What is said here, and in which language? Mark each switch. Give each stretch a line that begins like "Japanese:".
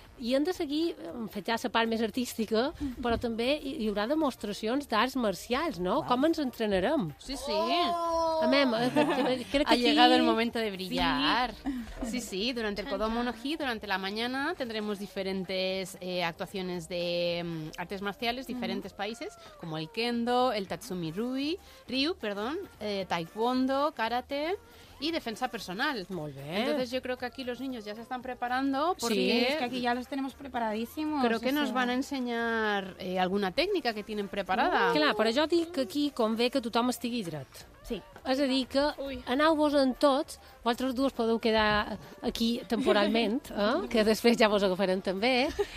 Catalan: I hem de seguir, hem fet ja la part més artística, però també hi haurà demostracions d'arts marcials, no? Wow. Com ens entrenarem? Sí, sí. Oh! Amem, crec que aquí...
Spanish: Ha llegado el momento de brillar. Sí, sí, durante el Kodomo no Hi, durante la mañana, tendremos diferentes actuaciones de artes marciales, diferentes países, como el Kendo, el Tatsumi Ryu, Taekwondo, Karate... Y defensa personal. Muy bien. Entonces yo creo que aquí los niños ya se están preparando. Porque sí, es que aquí ya los tenemos preparadísimos. Creo que nos van a enseñar alguna técnica que tienen preparada. Claro, pero yo digo que aquí
Catalan: convé que tothom estigui hidrat.
Spanish: Sí.
Catalan: És a dir, que aneu-vos en tots, vosaltres dues podeu quedar aquí temporalment, que després ja vos agafarem també.